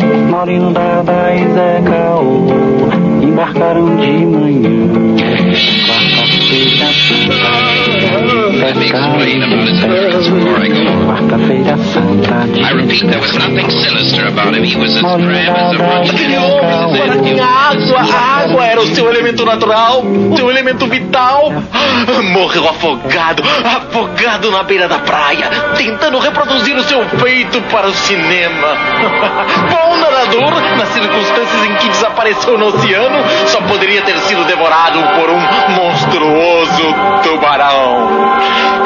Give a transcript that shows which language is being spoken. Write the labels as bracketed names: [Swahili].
[Portuguese] Marino da Baez é caô, embarcaram de manhã. Quarta-feira santa, é caô, quarta-feira santa. [English] I repeat, there was nothing sinister about him. He was as grim as a [Portuguese] água, água. água era o seu elemento natural, seu elemento vital. Morreu afogado, afogado na beira da praia, tentando reproduzir o seu feito para o cinema. Bom nadador, nas circunstâncias em que desapareceu no oceano, só poderia ter sido devorado por um monstruoso tubarão.